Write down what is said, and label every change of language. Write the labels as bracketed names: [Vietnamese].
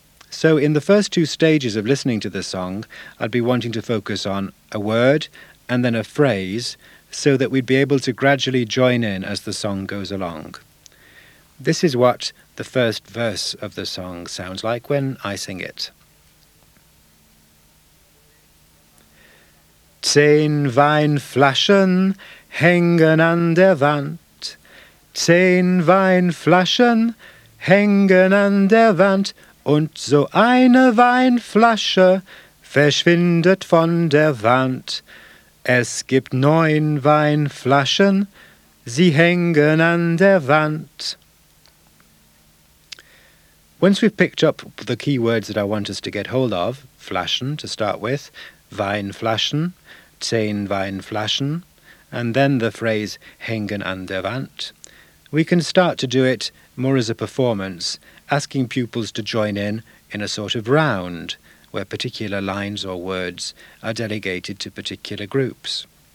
[English] So in the first two stages of listening to the song, I'd be wanting to focus on a word and then a phrase so that we'd be able to gradually join in as the song goes along. This is what the first verse of the song sounds like when I sing it. [German] Zehn Weinflaschen hängen an der Wand. Zehn Weinflaschen hängen an der Wand. Und so eine Weinflasche verschwindet von der Wand. Es gibt 9 Weinflaschen, sie hängen an der Wand. [English] Once we've picked up the key words that I want us to get hold of, flaschen to start with, [German] wein flaschen, zehn wein flaschen, [English] and then the phrase [German] hängen an der Wand, [English] we can start to do it more as a performance, asking pupils to join in a sort of round, where particular lines or words are delegated to particular groups.